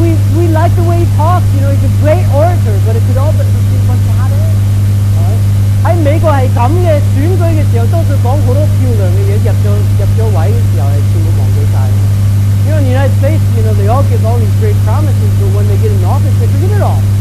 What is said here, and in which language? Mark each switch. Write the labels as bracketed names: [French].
[English] We like the way he talks, you know, he's a great orator, but it could all but just be a bunch of hot air. [Chinese] 在美国是这样的，选举的时候，多数讲很多漂亮的东西，入了位的时候是全部忘记了。 [English] You know, in the United States, you know, they all give all these great promises, but when they get in office, they forget it all.